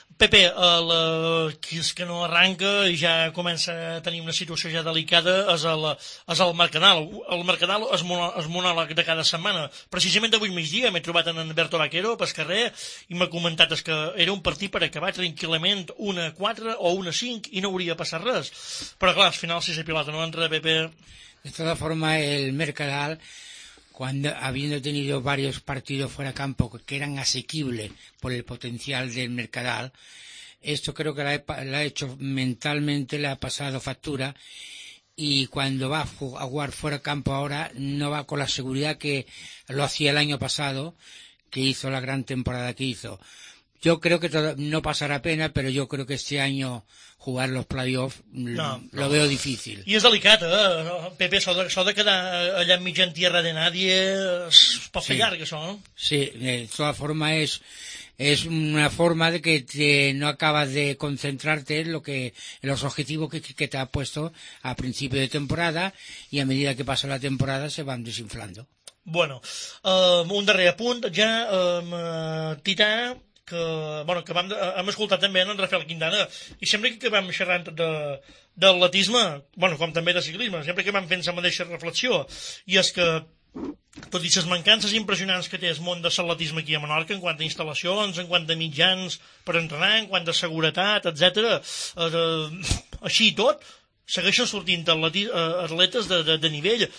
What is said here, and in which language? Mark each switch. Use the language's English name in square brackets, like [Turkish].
[Catalan] Pepe, el que no arranca i ja comença a tenir una situació ja delicada és el Mercadal. El Mercadal és monòleg de cada setmana. Precisament avui migdia m'he trobat en Berto Vaquero, pel carrer, i m'ha comentat que era un partit per acabar tranquil·lament 1-4 o 1-5 i no hauria passat res. Però clar, al final, si és a pilota no entra, Pepe. De tota forma, [Spanish] el Mercadal, cuando habiendo tenido varios partidos fuera de campo que eran asequibles por el potencial del Mercadal, esto creo que la ha hecho mentalmente, le ha pasado factura, y cuando va a jugar fuera de campo ahora no va con la seguridad que lo hacía el año pasado, que hizo la gran temporada que hizo. Yo creo que no pasará pena, pero yo creo que este año jugar los playoffs lo veo difícil. [Catalan] I és delicat, Pepe, això de quedar allà enmig en [Spanish] tierra de nadie [Catalan] es pot fer llarg, això, no? Sí, de tota forma és una forma [Spanish] de que no acabes de concentrarte en los objetivos que te has puesto a principio de temporada, y a medida que pasa la temporada se van desinflando. [Catalan] Bueno, un darrer apunt, ja, Tità, que bueno, que hem escoltat també en Rafael Quintana, i sempre que vam xerrant d'atletisme, bueno, com també de ciclisme, sempre que vam fent la mateixa reflexió, i és que tot i les mancances impressionants que té el món de l'atletisme aquí a Menorca, en quant a instal·lacions, en quant a mitjans per entrenar, en quant a seguretat, etc., així i tot segueixen sortint atletes de nivell.